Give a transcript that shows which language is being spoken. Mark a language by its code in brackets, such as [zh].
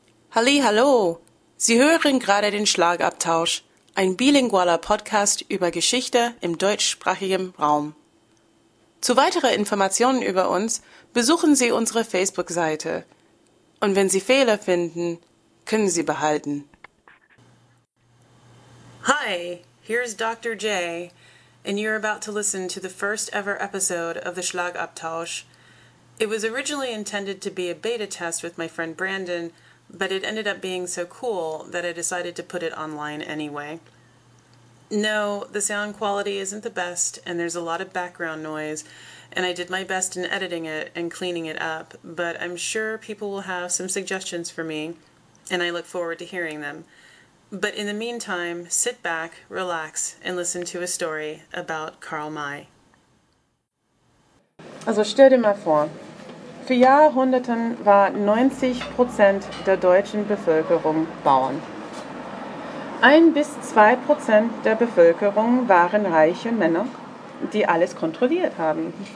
[de] Hallihallo, Sie hören gerade den Schlagabtausch, ein bilingualer Podcast über Geschichte im deutschsprachigen Raum. Zu weiteren Informationen über uns besuchen Sie unsere Facebook-Seite. Und wenn Sie Fehler finden, können Sie behalten. [en] Hi, here's Dr. J, and you're about to listen to the first ever episode of the Schlagabtausch. It was originally intended to be a beta test with my friend Brandon, but it ended up being so cool that I decided to put it online anyway. No, the sound quality isn't the best, and there's a lot of background noise, and I did my best in editing it and cleaning it up, but I'm sure people will have some suggestions for me, and I look forward to hearing them. But in the meantime, sit back, relax, and listen to a story about Karl May. [de] Also stell dir mal vor, für Jahrhunderten war 90% der deutschen Bevölkerung Bauern. 1 bis 2% der Bevölkerung waren reiche Männer, die alles kontrolliert haben.